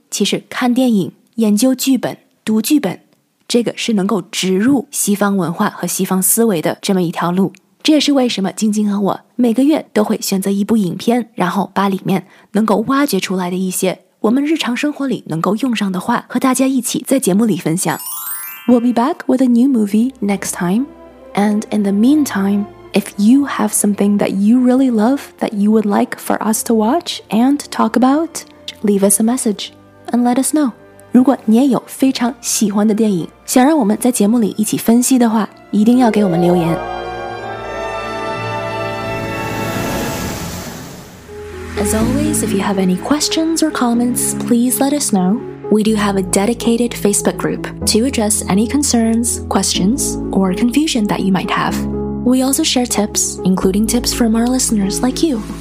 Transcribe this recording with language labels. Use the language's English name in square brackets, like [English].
[Chinese] 其实看电影、研究剧本、读剧本，这个是能够植入西方文化和西方思维的这么一条路。这也是为什么晶晶和我每个月都会选择一部影片，然后把里面能够挖掘出来的一些我们日常生活里能够用上的话和大家一起在节目里分享。 [English] We'll be back with a new movie next time. And in the meantime,If you have something that you really love that you would like for us to watch and talk about, leave us a message and let us know. [Chinese] 如果你也有非常喜欢的电影，想让我们在节目里一起分析的话，一定要给我们留言。 [English] As always, if you have any questions or comments, please let us know. We do have a dedicated Facebook group to address any concerns, questions, or confusion that you might have. We also share tips, including tips from our listeners like you.